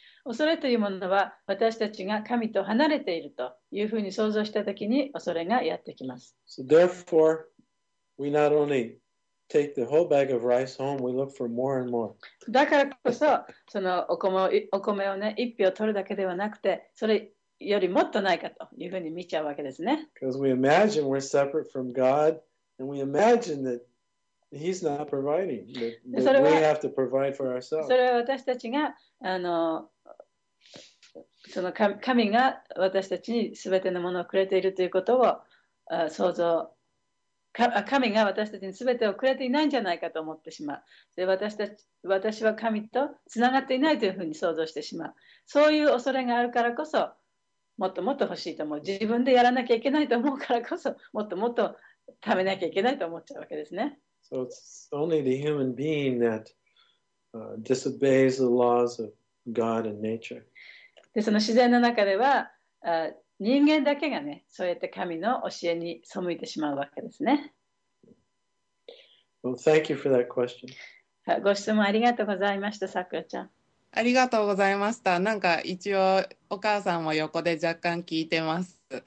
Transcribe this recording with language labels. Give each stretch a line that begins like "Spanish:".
Japanese: 恐れというものは私たちが神と離れているというふうに想像したときに恐れがやってきます。
English: So therefore, we not onlyTake the whole bag of rice home. We look for more and more.
Japanese: だからこそ、そのお米をね、一俵取るだけではなくて、それよりもっとないかというふうに見ちゃうわけですね。
English: Because we imagine we're separate from God, and we imagine that He's not providing, that we have to provide for ourselves.
Japanese: それは私たちが、その神が私たちにすべてのものをくれているということを想像。神が私たちに全てをくれていないんじゃないかと思ってしまう。で私は神とつながっていないというふうに想像してしまう。そういう恐れがあるからこそ、もっともっと欲しいと思う。自分でやらなきゃいけないと思うからこそ、もっともっと貯めなきゃいけないと思っちゃうわけですね。
English: So it's only the human being that disobeys the laws of God and nature.
Japanese: で、その自然の中では、人間だけがね、そうやって神の教えに背いてしまうわけですね。
English: Well, thank you for that question.
Japanese: ご質問ありがとうございました、さくらちゃん。ありがとうございました。なんか一応お母さんも横で若干聞いてます。